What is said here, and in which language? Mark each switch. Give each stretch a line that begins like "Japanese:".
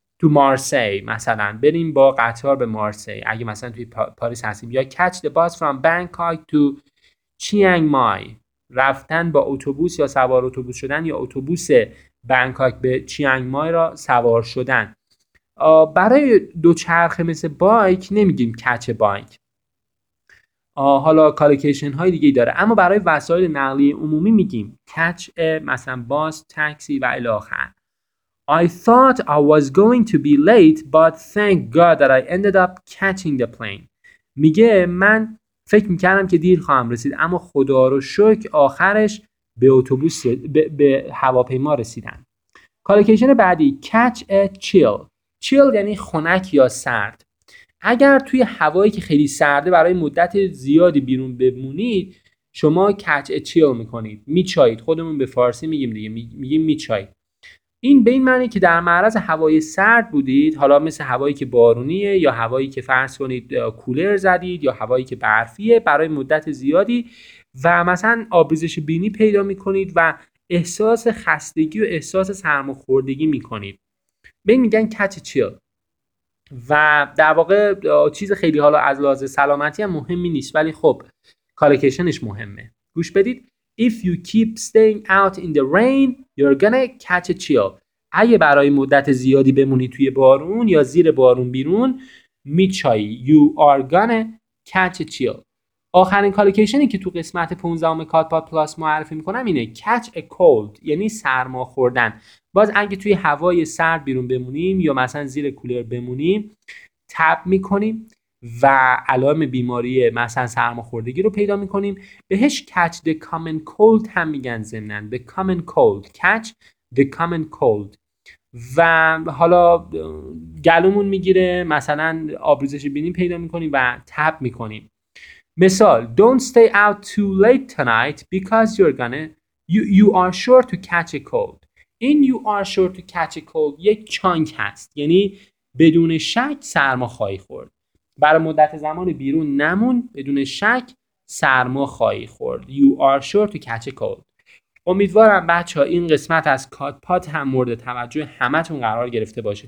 Persian: تو مارسی مثلا بریم با قطار به مارسی، اگه مثلا توی پاریس هستیم، یا
English: catch the bus from Bangkok to Chiang Mai،
Persian: رفتن با اتوبوس یا سوار اتوبوس شدن، یا اتوبوس بنکاک به چیانگ مای را سوار شدن. برای دوچرخه مثل بایک نمیگیم
English: catch a bike.
Persian: حالا کالکیشن های دیگه داره، اما برای وسایل نقلیه عمومی میگیم
English: catch a
Persian: مثلا باس، تاکسی و الی آخر.
English: I thought I was going to be late but thank God that I ended up catching the plane.
Persian: میگه من فکر میکردم که دیر خواهم رسید، اما خدا رو شکر آخرش به اتوبوس به هواپیما رسیدم. کالکیشن بعدی
English: catch a chill.
Persian: چیل یعنی خنک یا سرد. اگر توی هوایی که خیلی سرده برای مدت زیادی بیرون بمونید، شما
English: catch a chill
Persian: میکنید، میچایید. خودمون به فارسی میگیم دیگه، میگیم میچایید. این به این معنی که در معرض هوای سرد بودید، حالا مثل هوایی که بارونیه یا هوایی که فرض کنید کولر زدید یا هوایی که برفیه برای مدت زیادی، و مثلا آبریزش بینی پیدا میکنید و احساس خستگی و احساس سرماخوردگی میکنید، به این میگن
English: catch a chill.
Persian: و در واقع چیز خیلی حالا از لحاظ سلامتی هم مهمی نیست، ولی خب کالکیشنش مهمه. گوش بدید.
English: If you keep staying out in the rain you're gonna catch a chill.
Persian: اگه برای مدت زیادی بمونی توی بارون یا زیر بارون بیرون، میچایی.
English: You are gonna catch a chill.
Persian: آخرین کالکیشنی که تو قسمت 15 کادپاد پلاس معرفی میکنم اینه
English: catch a cold،
Persian: یعنی سرما خوردن. باز اگه توی هوای سرد بیرون بمونیم یا مثلا زیر کولر بمونیم، تب میکنیم و علائم بیماری مثلا سرماخوردگی رو پیدا میکنیم، بهش
English: catch the common cold
Persian: هم میگن. زمنان
English: the common cold، catch the common cold.
Persian: و حالا گلومون میگیره، مثلا آبریزش بینی پیدا میکنیم و تب میکنیم. مثال
English: don't stay out too late tonight because you're gonna you are sure to catch a cold.
Persian: این
English: you are sure to catch a cold
Persian: یک چانک هست، یعنی بدون شک سرما خواهی خورد. برای مدت زمان بیرون نمون، بدون شک سرما خواهی خورد.
English: You are sure to catch a cold.
Persian: امیدوارم بچه ها این قسمت از کادپاد هم مورد توجه همتون قرار گرفته باشه.